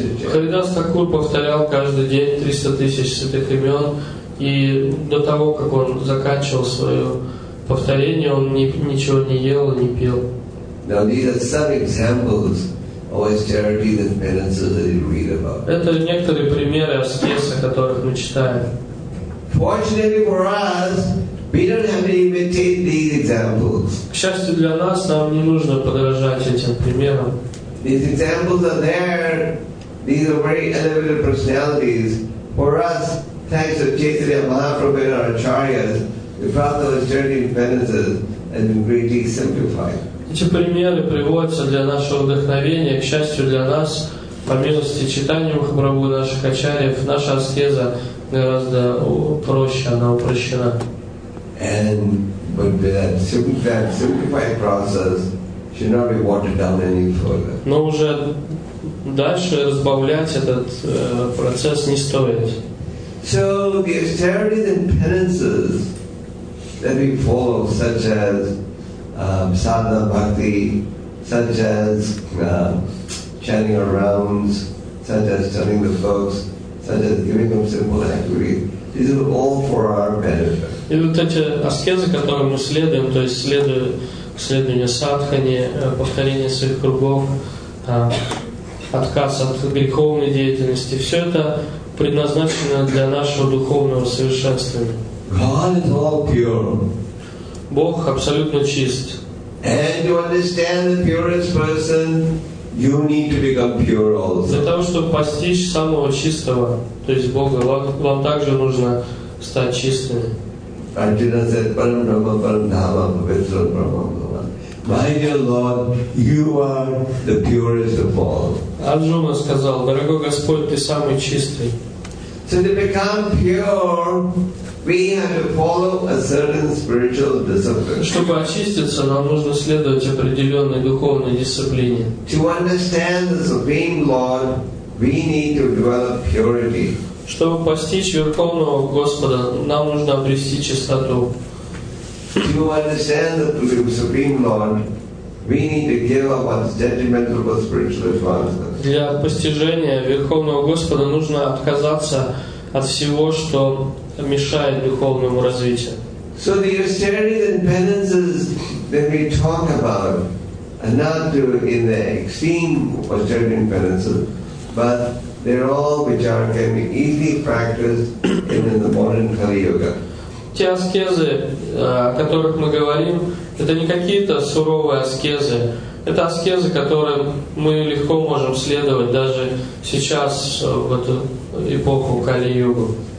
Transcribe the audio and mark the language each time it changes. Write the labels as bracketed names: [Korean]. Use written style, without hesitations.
[Russian] Харидас Такур повторял каждый день 300 тысяч святых имен, и до того, как он заканчивал свое повторение, он ничего не ел и не пил. Это некоторые примеры аскез, о которых мы читаем. [English] Fortunately for us, we don't have to imitate these examples. [Russian] К счастью для нас, нам не нужно подражать этим примерам. [English] These examples are there. These are very elevated personalities. For us, thanks to Chaitanya Mahaprabhu and our acharyas, the path of austerity and penance has been greatly simplified. [Russian] Эти примеры приводятся для нашего вдохновения. К счастью для нас, по милости читания Махапрабху, наших ачарьев, наша аскеза гораздо проще, она упрощена. [English] And simplified process should not be watered down any further. [Russian] Но уже дальше разбавлять этот процесс не стоит. [English] So the austerities and penances that we follow, such as sadhana bhakti, such as chanting our rounds, such as telling the folks, such as giving them simple activity, these are all for our benefit. [Russian] И вот эти аскезы, которые мы следуем, то есть следование садхани, повторение своих кругов, отказ от греховной деятельности, все это предназначено для нашего духовного совершенствования. [English] God is all pure. [Russian] Бог абсолютно чист. [English] And to understand the purest person, you need to become pure also. [Russian] Для того, чтобы постичь самого чистого, то есть Бога, вам также нужно стать чистыми. [English] Arjuna said, [Sanskrit] Param Brahma, Param Dhamma, Pavitra Brahma, Bhagavan. [English] My dear Lord, you are the purest of all. [Russian] Arjuna сказал, дорогой Господь, ты самый чистый. [English] So to become pure, we have to follow a certain spiritual discipline. [Russian] Чтобы очиститься, нам нужно следовать определенной духовной дисциплине. [English] To understand the Supreme Lord, we need to develop purity. [Russian] Чтобы постичь Верховного Господа, нам нужно обрести чистоту. Для постижения Верховного Господа нужно отказаться от всего, что мешает духовному развитию. [English] So the austerities and penances that we talk about are not in the extreme austerity and penances, but they're all which are can be easily practiced in the modern Kali Yuga. [Russian] Те аскезы, о которых мы говорим, это не какие-то суровые аскезы. Это аскезы, которым мы легко можем следовать даже сейчас, в эту эпоху Кали-Югу.